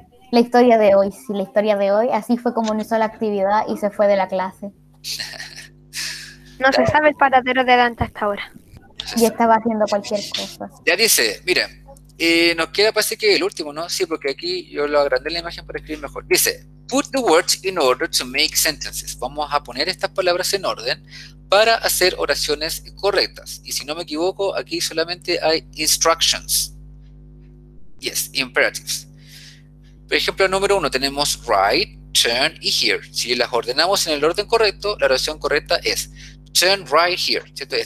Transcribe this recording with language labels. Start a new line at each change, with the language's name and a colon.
Spanish: La historia de hoy, sí, la historia de hoy. Así fue como no hizo la actividad y se fue de la clase. No se sabe el paradero de Dante hasta ahora. Y estaba haciendo cualquier cosa. Ya dice, mira, nos queda parece que el último, ¿no? Sí, porque aquí yo lo agrandé la imagen para escribir mejor. Dice,
English: put the words in order to make sentences.
Spanish: Vamos a poner estas palabras en orden para hacer oraciones correctas. Y si no me equivoco, aquí solamente hay instructions.
English: Yes, imperatives.
Spanish: Por ejemplo, número uno, tenemos right, turn y here. Si las ordenamos en el orden correcto, la oración correcta es
English: turn right here,
Spanish: ¿cierto?